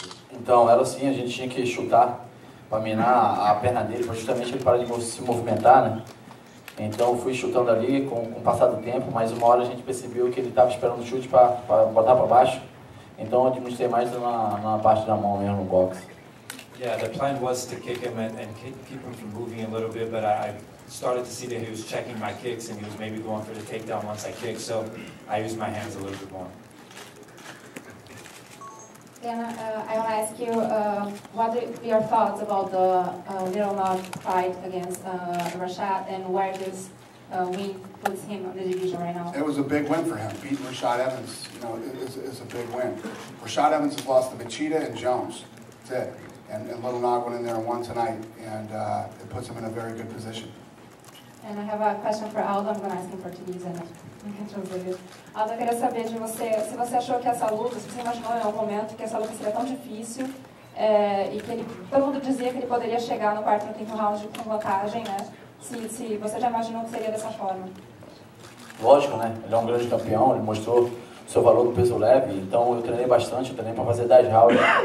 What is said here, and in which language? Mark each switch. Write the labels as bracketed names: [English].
[Portuguese] Então, era assim, a gente tinha que chutar para minar a perna dele, para justamente ele parar de se movimentar, né? Então fui chutando ali com o passar do tempo, mas uma hora a gente percebeu que ele estava esperando o chute para botar para baixo. Então eu administrei mais na parte da mão mesmo, no boxe. [English] Yeah, the plan was to kick him and keep him from moving a little bit, but I started to see that he was checking my kicks and he was maybe going for the takedown once I kicked, so I used my hands a little bit more. Dana, I want to ask you, what are your thoughts about the Little Nog fight against Rashad, and where does win puts him in the division right now? It was a big win for him, beating Rashad Evans. You know, it's a big win. Rashad Evans has lost to Machida and Jones. That's it. And Little Nog went in there and won tonight, and it puts him in a very good position. And I have a question for Aldo. I'm going to ask him for to use it. [Portuguese] Aldo, eu queria saber de você, se você achou que essa luta, se você imaginou em algum momento que essa luta seria tão difícil e que ele, todo mundo dizia que ele poderia chegar no quarto e no quinto round com vantagem, né? Se você já imaginou que seria dessa forma? Lógico, né? Ele é um grande campeão, ele mostrou seu valor do peso leve, então eu treinei bastante, eu treinei para fazer 10 rounds.